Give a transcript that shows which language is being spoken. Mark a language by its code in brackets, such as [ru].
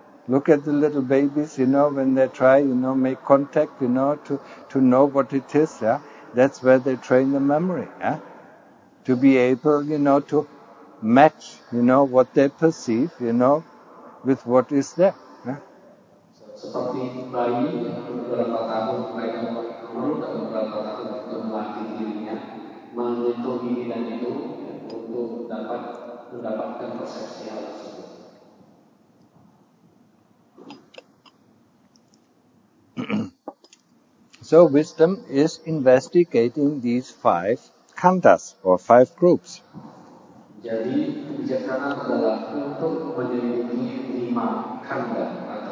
[en] Look at the little babies, you know, when they try, you know, make contact, you know, to know what it is, yeah? That's where they train the memory, yeah? To be able, you know, to match, you know, what they perceive, you know, with what is there. Yeah? [id] Seperti bayi, beberapa tahun, mereka turun dan beberapa tahun untuk melatih dirinya, menyentuh ini dan itu untuk dapat mendapatkan persepsi hal tersebut. [en] So wisdom is investigating these five khandas or five groups. [id] Jadi kebijaksanaan adalah untuk menyelidiki lima khanda.